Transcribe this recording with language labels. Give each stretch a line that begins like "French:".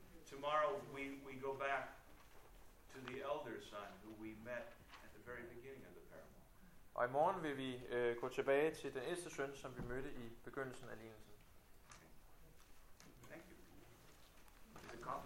English: Tomorrow we go back to the elder son who we met at the very beginning of the parable.
Danish: Og i morgen vil vi gå tilbage til den ældste søn, som vi mødte i begyndelsen af lignelsen.
English: Okay. Thank you. Is it coffee?